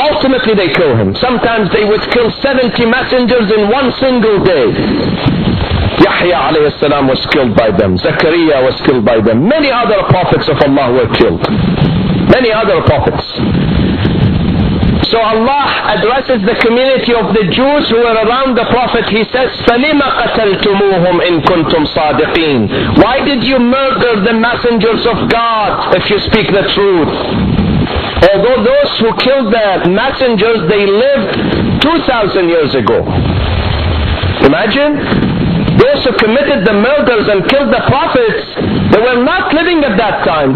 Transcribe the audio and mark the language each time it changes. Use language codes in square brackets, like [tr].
[en] Ultimately, they kill him. Sometimes they would kill 70 messengers in one single day. Yahya alayhi salam was killed by them. Zakariya was killed by them. Many other prophets of Allah were killed. Many other prophets. So Allah addresses the community of the Jews who were around the Prophet. He says, [ar] فَلِمَ قَتَلْتُمُوهُمْ إِن كُنْتُمْ صَادِقِينَ. [en] Why did you murder the messengers of God if you speak the truth? Although those who killed the messengers, they lived 2,000 years ago. Imagine. Those who committed the murders and killed the prophets, they were not living at that time.